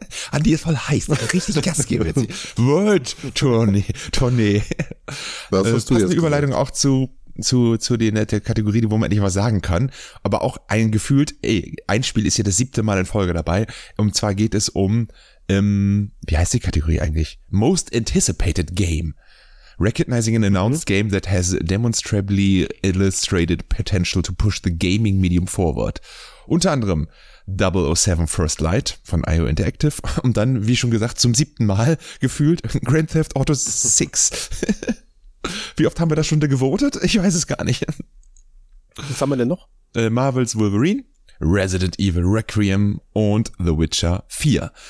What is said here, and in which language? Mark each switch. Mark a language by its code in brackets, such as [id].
[de] An diesem Fall heiß. Richtig Gas geben jetzt. World Tournee. Das hast du jetzt. Die Überleitung auch zu den der Kategorie, wo man endlich was sagen kann. Aber auch ein gefühlt, ein Spiel ist hier das 7. Mal in Folge dabei. Und zwar geht es um, wie heißt die Kategorie eigentlich? [en] Most Anticipated Game. Recognizing an announced game that has demonstrably illustrated potential to push the gaming medium forward. [de] Unter anderem 007 First Light von IO Interactive und dann, wie schon gesagt, zum 7. Mal gefühlt Grand Theft Auto 6. Wie oft haben wir das schon gewotet? Ich weiß es gar nicht. Was haben wir denn noch? Marvel's Wolverine, Resident Evil Requiem und The Witcher 4.